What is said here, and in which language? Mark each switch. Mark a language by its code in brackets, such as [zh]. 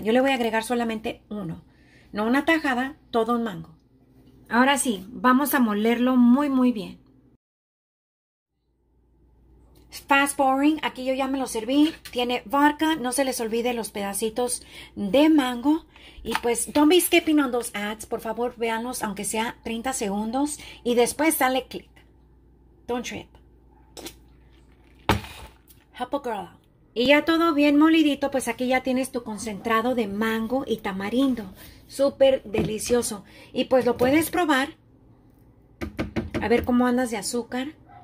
[es] Yo le voy a agregar solamente uno. No una tajada, todo un mango. Ahora sí, vamos a molerlo muy, muy bien. [en] Fast pouring, [es] aquí yo ya me lo serví. Tiene vodka, no se les olvide los pedacitos de mango. Y pues, [en] don't be skipping on those ads. [es] Por favor, véanlos, aunque sea 30 segundos. Y después dale click. [en] Don't trip. Help a girl. [es] Y ya todo bien molidito, pues aquí ya tienes tu concentrado de mango y tamarindo. Súper delicioso. Y pues lo puedes probar. A ver cómo andas de azúcar.